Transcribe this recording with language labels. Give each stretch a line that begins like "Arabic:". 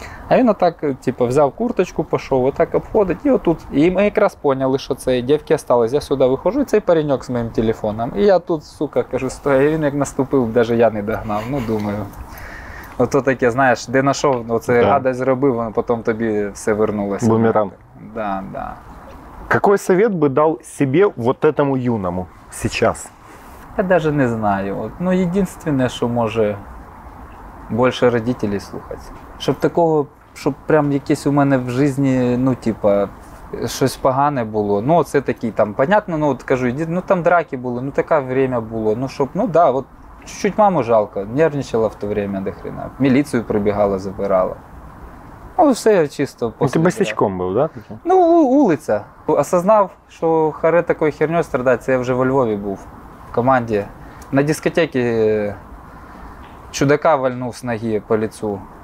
Ukrainian: А він отак, типу, взяв курточку, пішов, отак обходить, і отут. І ми якраз поняли, що це дівки залишились. Я сюди виходжу, і цей пареньок з моїм телефоном. І я тут, сука, кажу, стой, і він як наступив, навіть я не догнав. Ну, думаю, ото таке, знаєш, де знайшов, оце гадость зробив, воно потім тобі все вернулося. Бумеранг.
Russian: Да. Какой совет бы дал себе вот этому юному сейчас? Я даже не знаю. Ну, единственное, что может больше родителей слухать. Чтоб такого, чтоб прям
Ukrainian: якесь у мене
Russian: в жизни, ну, типа, щось погане було.
Ukrainian: Ну, оце такий там, понятно, ну, от кажу, ну, там драки були, ну, таке время було.
Russian: Ну, щоб, ну, да, от чуть-чуть маму жалко, нервничала в то время до хрена.
Ukrainian: Міліцію прибігала, забирала. Ну, все чисто. Ти босячком був, да? Ну, вулиця. Осознав, що харе такою херньою страдати, це я вже во Львові був, в команді. На дискотекі чудака вальнув з ноги по лицю.